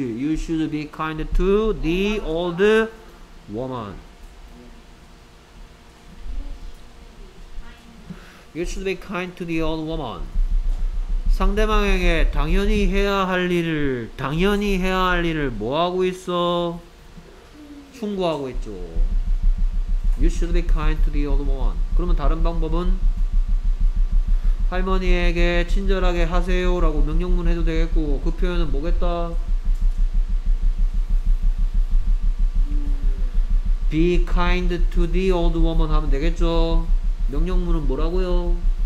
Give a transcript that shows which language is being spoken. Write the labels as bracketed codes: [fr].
[en] You should be kind to the old woman. You should be kind to the old woman. [ko] 상대방에게 당연히 해야 할 일을, 당연히 해야 할 일을 뭐 하고 있어? 충고하고 있죠. [en] You should be kind to the old woman. [ko] 그러면 다른 방법은? 할머니에게 친절하게 하세요 라고 명령문 해도 되겠고, 그 표현은 뭐겠다? [en] Be kind to the old woman [ko] 하면 되겠죠? 명령문은 뭐라고요?